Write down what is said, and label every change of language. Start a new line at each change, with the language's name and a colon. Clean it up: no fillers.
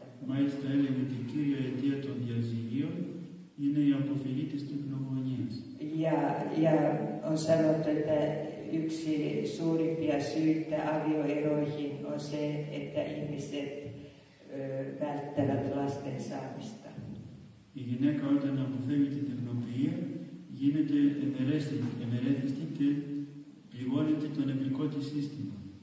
Greek: Μάλιστα έλεγε ότι κύριο αιτία των διαζυγίων είναι η αποφυγή της τεκνομονίας.
Finnish: Ja on sanottu, että yksi suurimpia syitä avioeroihin on se, että ihmiset välttävät lasten saamista.
Greek: Η γυναίκα όταν αποφεύγει την τεκνοποιία γίνεται ενερέθιστη και πληγώνεται το νευρικό της σύστημα.